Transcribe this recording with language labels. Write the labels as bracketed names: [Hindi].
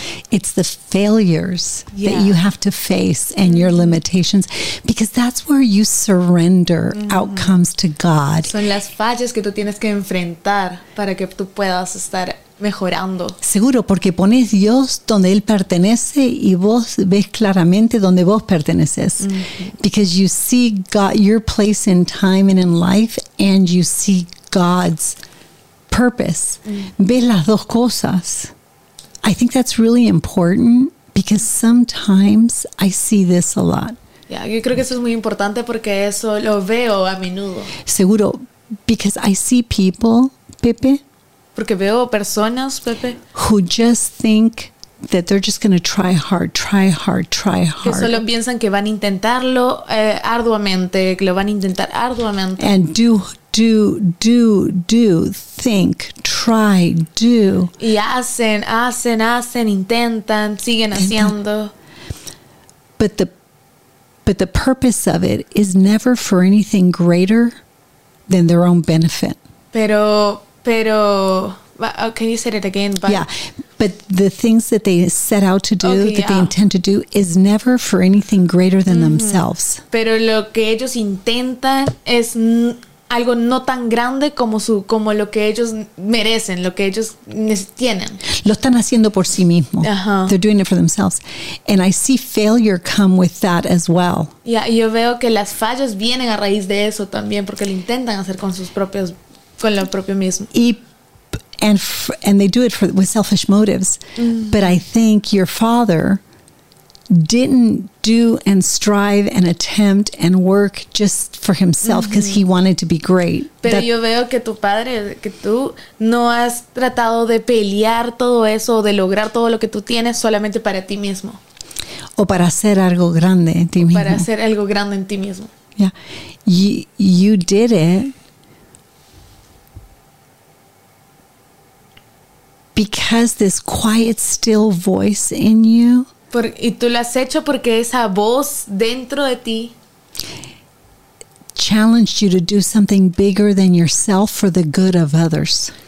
[English] It's the failures that you have to face and your limitations, because that's where you surrender outcomes to God. [Spanish] Son las fallas que tú tienes que enfrentar para que tú puedas estar mejorando. Seguro, porque pones Dios donde Él pertenece y vos ves claramente donde vos perteneces. Mm-hmm. [English] Because you see God, your place in time and in life, and you see God's purpose. Mm-hmm. [Spanish] Ves las dos cosas. [English] I think that's really important, because sometimes I see this a lot. [Spanish] Yeah, yo creo que eso es muy importante porque eso lo veo a menudo. [English] Seguro, because I see people, Pepe. [Spanish] Porque veo personas, Pepe. [English] Who just think that they're just going to try hard, try hard, try hard. [Spanish] Que solo piensan que van a intentarlo arduamente, que lo van a intentar arduamente. [English] And do, think, try, do. [Spanish] Y hacen, intentan, siguen haciendo. [English] But the purpose of it is never for anything greater than their own benefit. Pero, can you say it again? But the things that they set out to do, they intend to do, is never for anything greater than themselves. [Spanish] Pero lo que ellos intentan es algo no tan grande como lo que ellos merecen, lo que ellos tienen. Lo están haciendo por sí mismo. Uh-huh. [English] They're doing it for themselves. And I see failure come with that as well. [Spanish] Yeah, yo veo que las fallas vienen a raíz de eso también, porque lo intentan hacer con sus propios, con lo propio mismo. [English] And they do it with selfish motives. But I think your father didn't do and strive and attempt and work just for himself, because he wanted to be great. [Spanish] Pero yo veo que tu padre, que tú no has tratado de pelear todo eso, de lograr todo lo que tú tienes solamente para ti mismo. O para hacer algo grande en ti mismo. Para hacer algo grande en ti mismo. [English] Yeah. You did it. Because this quiet, still voice in you. [Spanish] Y tú lo has hecho porque esa voz dentro de ti [English] challenged you to do something bigger than yourself for the good of others.